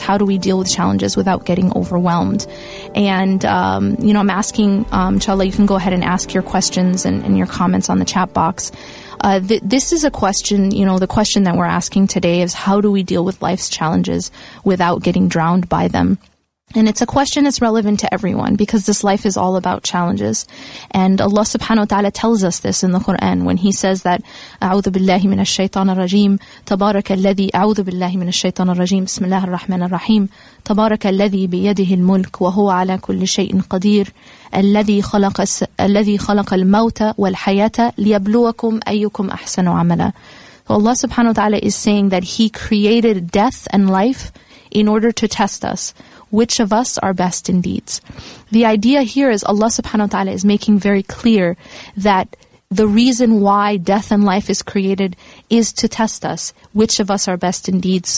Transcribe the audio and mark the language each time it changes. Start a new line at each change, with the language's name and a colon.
English: How do we deal with challenges without getting overwhelmed? And, you know, I'm asking, Inshallah, you can go ahead and ask your questions and your comments on the chat box. This is a question, you know, the question that we're asking today is, how do we deal with life's challenges without getting drowned by them? And it's a question that's relevant to everyone, because this life is all about challenges. And Allah subhanahu wa ta'ala tells us this in the Quran when He says that,
Arabic: أعوذ بالله من الشيطان الرجيم تبارك الذي أعوذ بالله من الشيطان الرجيم بسم الله الرحمن الرحيم تبارك الذي بيده الملك وهو على كل شيء قدير الذي خلق الموت والحياة ليبلوكم أيكم أحسن عملا.
English: So Allah subhanahu wa ta'ala is saying that He created death and life in order to test us, which of us are best in deeds. The idea here is Allah subhanahu wa ta'ala is making very clear that the reason why death and life is created is to test us, which of us are best in deeds.